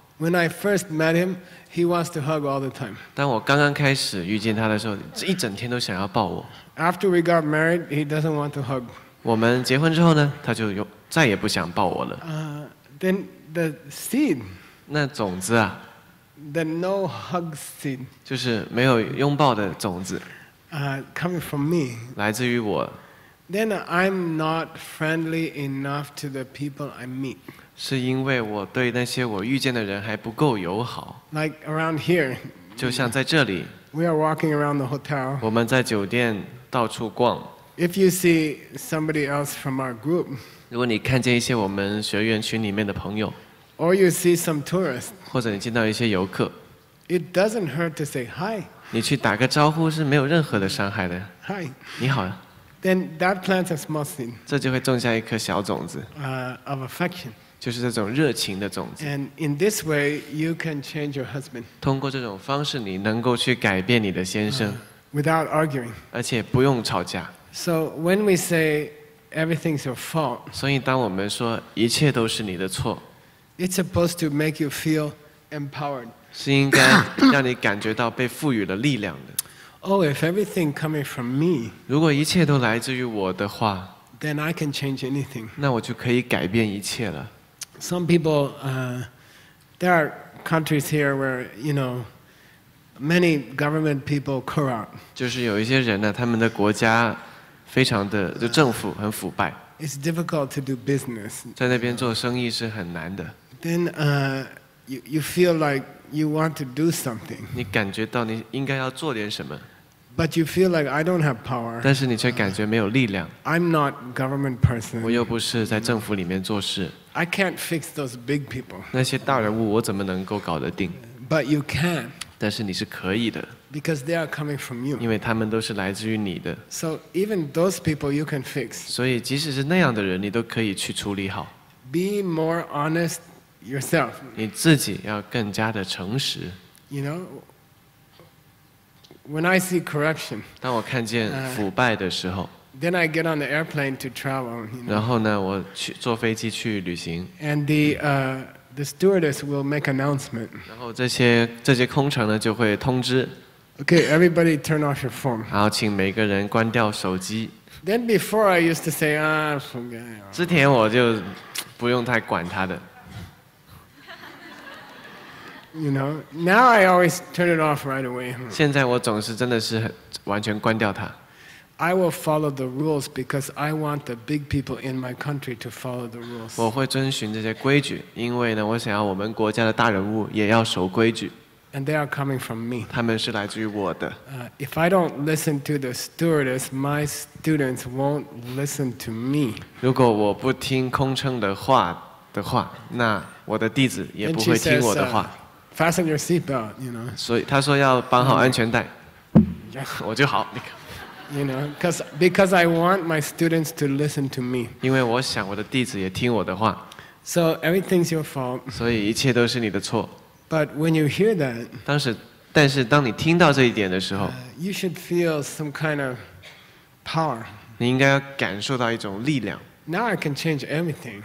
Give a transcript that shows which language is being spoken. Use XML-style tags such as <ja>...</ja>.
<en>When I first met him, he wants to hug all the time.</en> <zh>当我刚刚开始遇见他的时候，一整天都想要抱我。</zh> <en>After we got married, he doesn't want to hug.</en> <zh>我们结婚之后呢，他就再也不想抱我了。</zh> <en>Then the seed.</en> <zh>那种子啊。</zh> <en>The no hug seed.</en> <zh>就是没有拥抱的种子。</zh> <en>Coming from me.</en> <zh>来自于我。</zh> <en>Then I'm not friendly enough to the people I meet.</en> <zh>是因为我对那些我遇见的人还不够友好。</zh> <en>Like around here.</en> <zh>就像在这里。</zh> <en>We are walking around the hotel.</en> <zh>我们在酒店到处逛。</zh> <en>If you see somebody else from our group.</en> <zh>如果你看见一些我们学员群里面的朋友。</zh> <en>Or you see some tourists.</en> <zh>或者你见到一些游客。</zh> <en>It doesn't hurt to say hi.</en> <zh>你去打个招呼是没有任何的伤害的。</zh> <en>Hi.</en> <zh>你好。</zh> <en>Then that plants a small seed.</en> <zh>这就会种下一颗小种子。</zh> <en>Of affection.</en> <zh>就是这种热情的种子。</zh> <en>And in this way, you can change your husband.</en> <zh>通过这种方式，你能够去改变你的先生。</zh> <en>Without arguing.</en> <zh>而且不用吵架。</zh> <en>So when we say everything's your fault.</en> <zh>所以当我们说一切都是你的错。</zh> <en>It's supposed to make you feel empowered.</en> <zh>是应该让你感觉到被赋予了力量的。</zh> <en>Oh, if everything coming from me,</en> <zh>如果一切都来自于我的话</zh> <en>then I can change anything.</en> <zh>那我就可以改变一切了。</zh> <en>Some people, there are countries here where, you know, many government people corrupt.</en> <zh>就是有一些人呢，他们的国家非常的，就政府很腐败。</zh> <en>It's difficult to do business.</en> <zh>在那边做生意是很难的。</zh> <en>Then, you feel like you want to do something.</en> <zh>你感觉到你应该要做点什么。</zh> <en>But you feel like I don't have power.</en> <zh>但是你却感觉没有力量。</zh> <en>I'm not government person.</en> <zh>我又不是在政府里面做事。</zh> <en>I can't fix those big people.</en> <zh>那些大人物我怎么能够搞得定。</zh> <en>But you can.</en> <zh>但是你是可以的。</zh> <en>Because they are coming from you.</en> <zh>因为他们都是来自于你的。</zh> <en>So even those people you can fix.</en> <zh>所以即使是那样的人你都可以去处理好。</zh> <en>Be more honest yourself.</en> <zh>你自己要更加的诚实。</zh> <en>You know,When I see corruption,</en> <zh>当我看见腐败的时候</zh> <en>then I get on the airplane to travel.</en> <zh>然后呢，我去坐飞机去旅行</zh> <en>and the stewardess will make announcement.</en> <zh>然后这些空乘呢就会通知</zh> <en>Okay, everybody turn off your phone.</en> <zh>然后请每个人关掉手机</zh> <en>Then before I used to say, forget.</en> <zh>之前我就不用太管他的。</zh> <en>You know, now I always turn it off right away.</en> <zh>现在我总是真的是完全关掉它。</zh> <en>I will follow the rules because I want the big people in my country to follow the rules.</en> <zh>我会遵循这些规矩，因为呢，我想要我们国家的大人物也要守规矩。</zh> <en>And they are coming from me.</en> <zh>他们是来自于我的。</zh> <en>If I don't listen to the stewardess, my students won't listen to me.</en> <zh>如果我不听空乘的话，那我的弟子也不会听我的话。</zh> <en>Fasten your seatbelt, you know.</en> <zh>所以他说要绑好安全带。我就好。</zh> <en>You know, because I want my students to listen to me.</en> <zh>因为我想我的弟子也听我的话。</zh> <en>So everything's your fault.</en> <zh>所以一切都是你的错。</zh> <en>But when you hear that,</en> <zh>但是当你听到这一点的时候</zh> <en>you should feel some kind of power.</en> <zh>你应该要感受到一种力量。</zh> <en>Now I can change everything.</en>